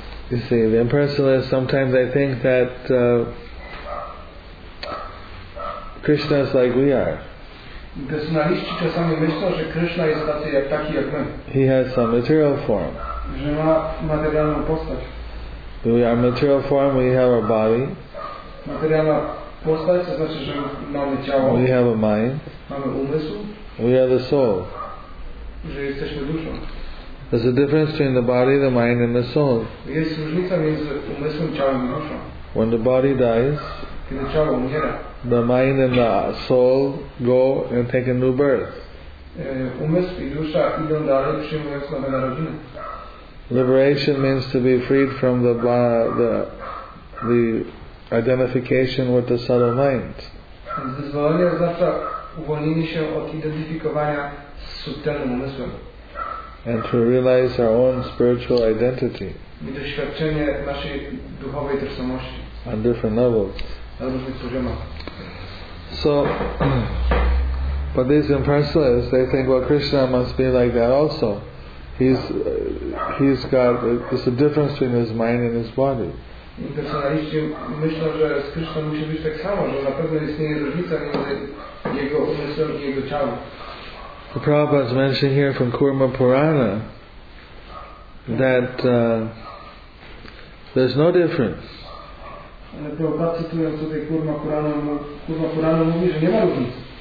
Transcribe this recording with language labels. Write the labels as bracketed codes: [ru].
[en] You see, the impersonalists, sometimes I think that Krishna is like we are. [pl] Impersonaliści czasami myślą, że Krishna jest taki jak my. [en] He has some material form. [pl] Że ma materialną postać. [en] We are material form, we have our body. [pl] Materialna postać, to znaczy, że mamy ciało. [en] We have a mind. [pl] Mamy umysł. [en] We have the soul. [pl] Że jesteśmy duszą. [en] There's a difference between the body, the mind and the soul. [pl] Jest różnica między umysłem, ciałem i duszą. [en] When the body dies, [pl] kiedy ciało umiera, [en] the mind and the soul go and take a new birth. [pl] Umysł i dusza idą dalej, przyjmując nowe narodziny. [en] Liberation means to be freed from the identification with the subtle mind. [pl] Wyzwolenie oznacza uwolnienie się od identyfikowania z subtelnym umysłem. [en] And to realize our own spiritual identity. [pl] I doświadczenie naszej duchowej tożsamości. [en] On different levels. [pl] Na różnych poziomach. [en] So But these impersonalists, they think, well, Krishna must be like that also. He's got, there's a difference between his mind and his body. [pl] Impersonaliści myślą, że z Krishna musi być tak samo, że na pewno istnieje różnica między jego umysłem i jego ciałem. [en] The Prabhupada is mentioned here from Kurma Purana that there's no difference. [pl] Prabhupada cytuje tutaj Kurma Purana, Kurma Purana mówi, że nie ma różnicy.